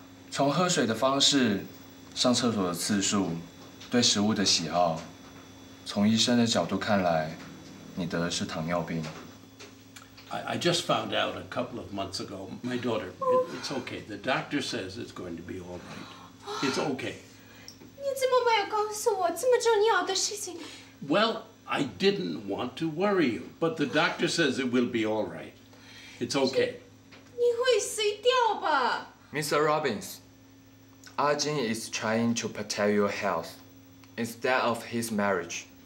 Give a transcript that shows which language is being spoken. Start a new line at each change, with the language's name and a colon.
Chinese: 从喝水的方式、上厕所的次数、对食物的喜好，从医生的角度看来，你得的是糖尿病。
English: I just found out a couple of months ago. My daughter, it's okay. The doctor says it's going to be all right. It's okay.
Chinese: 你怎么没有告诉我这么重要的事情？
English: Well, I didn't want to worry you, but the doctor says it will be all right. It's okay.
Chinese: 你会死掉吧？
English: Mr. Robbins, Arjun is trying to protect your health instead of his marriage.